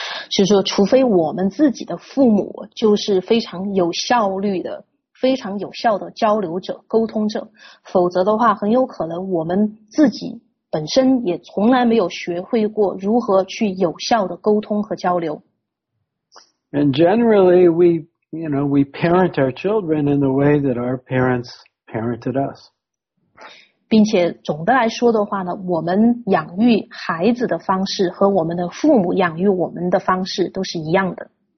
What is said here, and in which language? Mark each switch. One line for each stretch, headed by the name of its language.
Chinese: 是说除非我们自己的父母就是非常有效率的、非常有效的交流者、沟通者，否则的话很有可能我们自己本身也从来没有学会过如何去有效的沟通和交流。
English: And generally we parent our children in the way that our parents parented us.
Chinese: 并且总的来说的话呢，我们养育孩子的方式和我们的父母养育我们的方式都是一样的。